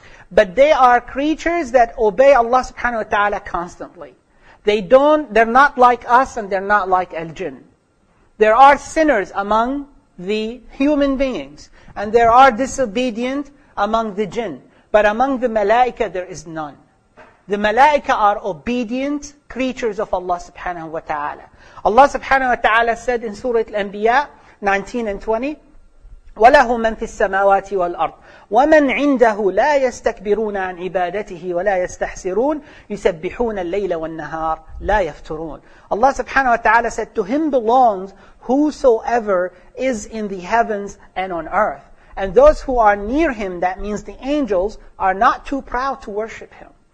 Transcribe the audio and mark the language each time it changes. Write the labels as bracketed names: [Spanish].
[English] But they are creatures that obey Allah subhanahu wa ta'ala constantly. They're not like us and they're not like al-jinn. There are sinners among the human beings. And there are disobedient among the jinn. But among the malaika, there is none. The malaika are obedient creatures of Allah subhanahu wa ta'ala. Allah subhanahu wa ta'ala said in Surah Al-Anbiya 19 and 20, [Arabic] وَلَهُ مَنْ فِي السَّمَاوَاتِ وَالْأَرْضِ وَمَنْ عِنْدَهُ لَا يَسْتَكْبِرُونَ عَنْ عِبَادَتِهِ وَلَا يَسْتَحْسِرُونَ يُسَبِّحُونَ اللَّيْلَ وَالنَّهَارِ لَا يَفْتُرُونَ. [English] Allah subhanahu wa ta'ala said, to Him belongs whosoever is in the heavens and on earth. And those who are near Him, that means the angels, are not too proud to worship Him.